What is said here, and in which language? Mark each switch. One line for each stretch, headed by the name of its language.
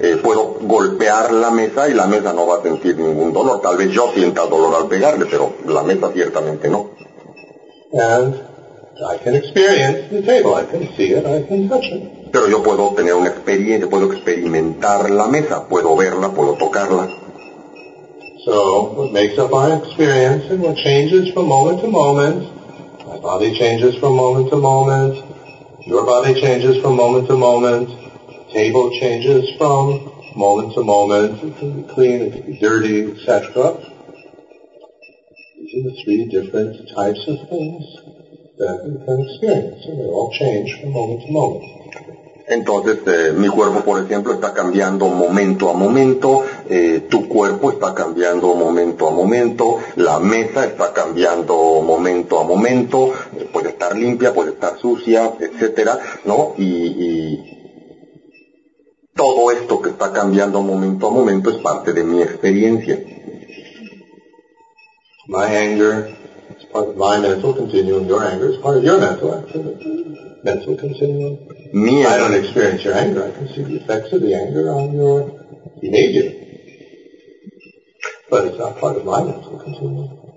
Spanish: Puedo golpear la mesa y la mesa no va a sentir ningún dolor. Tal vez yo sienta dolor al pegarle, pero la mesa ciertamente no. Pero yo puedo tener una experiencia, puedo experimentar la mesa, puedo verla, puedo tocarla.
English: So, what makes up my experience and what changes from moment to moment, my body changes from moment to moment, your body changes from moment to moment, the table changes from moment to moment, it can be clean, it can be dirty, etc. These are the three different types of things that we can experience, and they all change from moment to moment.
Spanish: Entonces, mi cuerpo, por ejemplo, está cambiando momento a momento, tu cuerpo está cambiando momento a momento, la mesa está cambiando momento a momento, puede estar limpia, puede estar sucia, etcétera, ¿no? Y todo esto que está cambiando momento a momento es parte de mi experiencia.
English: My anger is part of my mental continuum, your anger is part of your mental activity. Mental continuum.
Spanish: Mi
English: I don't experience your anger. I can see the effects of the anger on your behavior. But it's not part of my mental continuum.